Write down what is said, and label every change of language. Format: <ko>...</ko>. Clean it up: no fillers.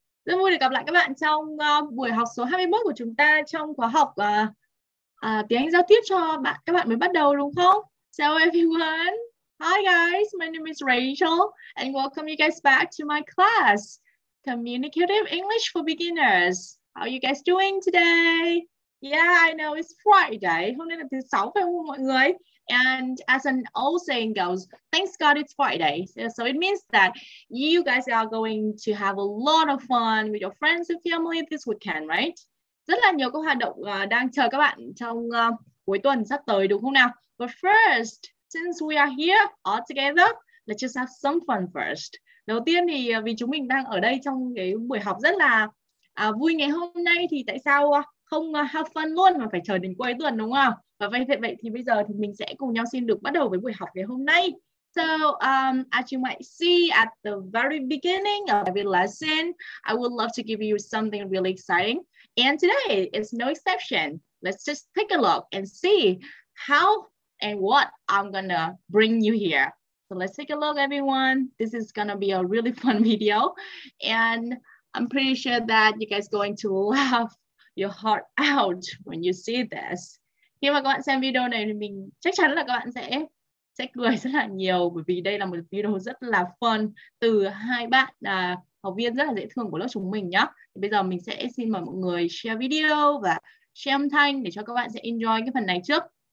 <vi>Rất vui được gặp lại các bạn trong buổi học số 21 của chúng ta trong khóa học tiếng Anh giao tiếp cho bạn các bạn mới bắt đầu đúng không?</vi> <en>So everyone. Hi guys, my name is Rachel and welcome you guys back to my class Communicative English for Beginners. How are you guys doing today? Yeah, I know it's Friday.</en> <vi>Hôm nay là thứ sáu phải không mọi người?</vi> <en>And as an old saying goes, thanks God it's Friday. So it means that you guys are going to have a lot of fun with your friends and family this weekend, right?</en> <vi>Rất là nhiều các hoạt động đang chờ các bạn trong cuối tuần sắp tới đúng không nào?</vi> <en>But first, since we are here all together, let's just have some fun first.</en> <vi>Đầu tiên thì vì chúng mình đang ở đây trong cái buổi học rất là vui ngày hôm nay thì tại sao không</vi> <en>have fun</en> <vi>luôn mà phải chờ đến cuối tuần đúng không? Và vậy thì bây giờ thì mình sẽ cùng nhau xin được bắt đầu với buổi học ngày hôm nay.</vi> <en>So, as you might see at the very beginning of every lesson, I would love to give you something really exciting. And today is no exception. Let's just take a look and see how and what I'm gonna bring you here. So let's take a look, everyone. This is gonna be a really fun video. And I'm pretty sure that you guys are going to laugh your heart out when you see this.</en> <vi>Khi mà các bạn xem video này thì mình chắc chắn là các bạn sẽ cười rất là nhiều bởi vì đây là một video rất là fun từ hai bạn học viên rất là dễ thương của lớp chúng mình nhá. Thì bây giờ mình sẽ xin mời mọi người share video và share âm thanh để cho các bạn sẽ enjoy cái phần này trước.</vi>